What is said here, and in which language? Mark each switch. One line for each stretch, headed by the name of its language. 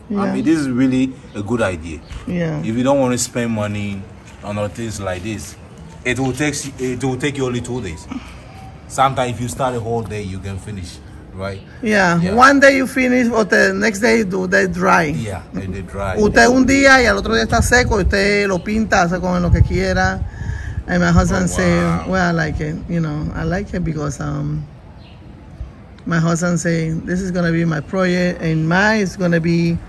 English: Yeah. I mean, this is really a good idea. Yeah. If you don't want to spend money... on things like this, it will take you only 2 days. Sometimes if you start a whole day, you can finish, right? Yeah. One day you finish, but the next day you do they dry. Yeah, they dry.
Spanish: Usted un día y al otro día está seco, usted lo pinta, hace con lo que quiera.
English: And my husband says, well, I like it. You know, I like it because my husband saying this is gonna be my project, and mine is gonna be